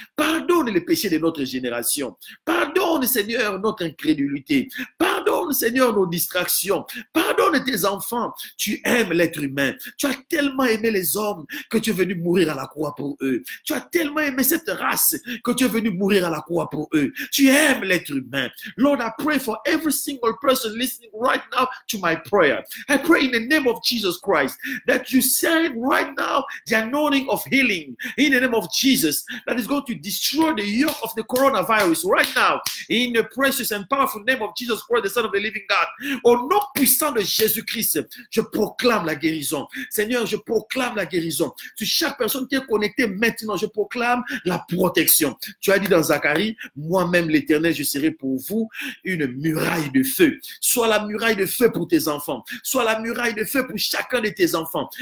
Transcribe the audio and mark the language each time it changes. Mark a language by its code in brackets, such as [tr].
[fr] Pardonne les péchés de notre génération. Pardonne, Seigneur, notre incrédulité. Pardonne, Seigneur, nos distractions. Pardonne tes enfants, tu aimes l'être humain. Tu as tellement aimé les hommes que tu es venu mourir à la croix pour eux. Tu as tellement aimé cette race que tu es venu mourir à la croix pour eux. Tu aimes l'être humain. [en] Lord, I pray for every single person listening right now to my prayer. I pray in the name of Jesus Christ that you send right now the anointing of healing in the name of Jesus that is going to destroy the yoke of the coronavirus right now in the precious and powerful name of Jesus Christ, the Son of the living God. [fr] Au nom puissant de Jésus-Christ, je proclame la guérison. Seigneur, je proclame la guérison. Sur chaque personne qui est connectée maintenant, je proclame la protection. Tu as dit dans Zacharie, moi-même l'Éternel, je serai pour vous une muraille de feu. Sois la muraille de feu pour tes enfants. Sois la muraille de feu pour chacun de tes enfants.